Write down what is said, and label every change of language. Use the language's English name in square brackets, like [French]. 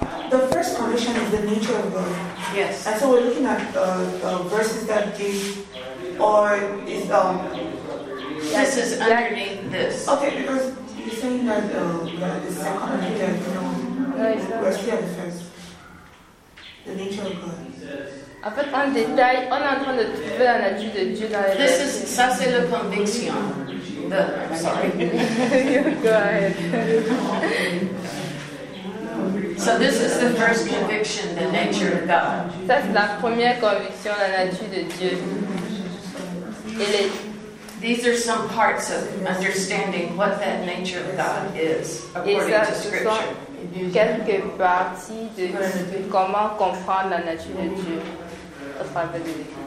[English] The first condition is the nature of God. Yes. And so we're looking at verses that give, or is, This is underneath this. Okay, because you're saying that the second and the third, you know, we're still at the first. The nature of God. [French] En fait, en détail, on est en train de trouver la nature de Dieu dans les [English] This is, [French] ça c'est la conviction. [English] The, sorry. Go ahead. So this is the first conviction, the nature of God. [French] Ça c'est la première conviction, la nature de Dieu. Et les... [English] These are some parts of understanding what that nature of God is, according [French] ça, [English] to Scripture. [French] Sont quelques parties de comment comprendre la nature de Dieu.